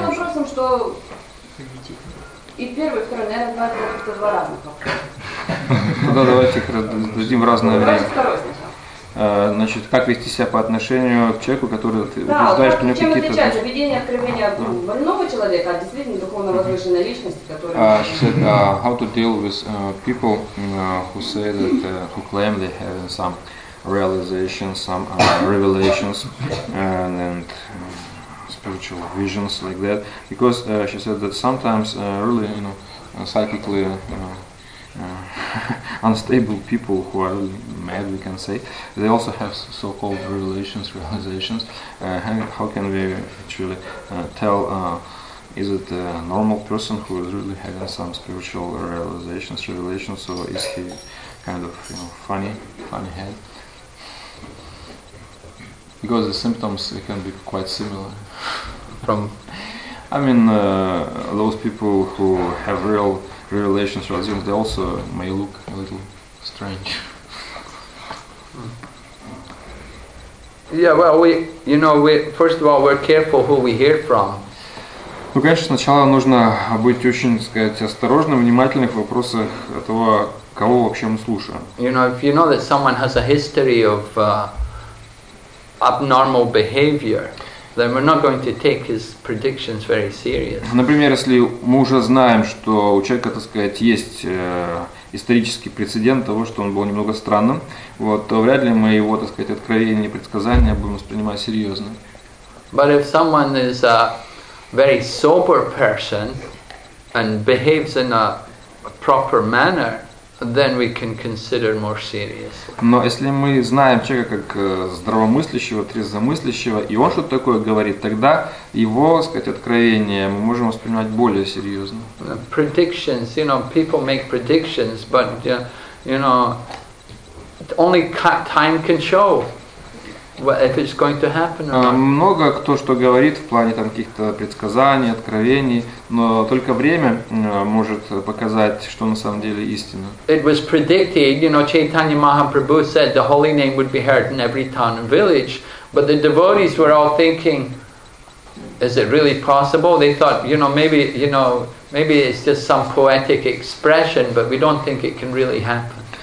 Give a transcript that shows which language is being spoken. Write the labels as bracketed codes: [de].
[ru] Ну, с первым вопросом, что... И первый, и второй, наверное, как-то два разных вопроса. Тогда давайте их раздадим в разное время. Давайте второй сначала. Значит, как вести себя по отношению к человеку, который, да, ты утверждаешь, что у него какие-то... Чем отличается видение, откровение больного человека, а действительно духовно возвышенной личности, которая... [en] She said, how to deal with people who say that, who claim they have some realization, some revelations, and spiritual visions like that, because she said that sometimes really, you know, psychically unstable people who are really mad, we can say, they also have so-called revelations, realizations. How can we actually tell, is it a normal person who is really having some spiritual realizations, revelations, or is he kind of, you know, funny head? Because the symptoms can be quite similar. From, I mean, those people who have real revelations, realizations, they also may look a little strange. Yeah, well, we first of all, we're careful who we hear from. [ru] Ну, конечно, сначала нужно быть очень, сказать, осторожным, внимательным в вопросах того, кого вообще мы слушаем. [en] You know, if you know that someone has a history of abnormal behavior, then we're not going to take his predictions very seriously. [ru] Например, если мы уже знаем, что у человека, так сказать, есть исторический прецедент того, что он был немного странным, вот, то вряд ли мы его, так сказать, откровения, предсказания будем воспринимать серьезно. [en] But if someone is a very sober person and behaves in a proper manner, then we can consider more seriously. [ru] Но если мы знаем человека как здравомыслящего, трезвомыслящего, и он что-то такое говорит, тогда его, так сказать, откровение мы можем воспринимать более серьезно. [en] Predictions, you know, people make predictions, but you know, only time can show if it's going to happen or not. [ru] Много кто что говорит в плане там каких-то предсказаний, откровений, но только время может показать, что на самом деле истина. [en] It was predicted, you know, Chaitanya Mahaprabhu said the holy name would be heard in every town and village, but the devotees were all thinking, is it really possible? They thought, maybe it's just some poetic expression, but we don't think it can really happen.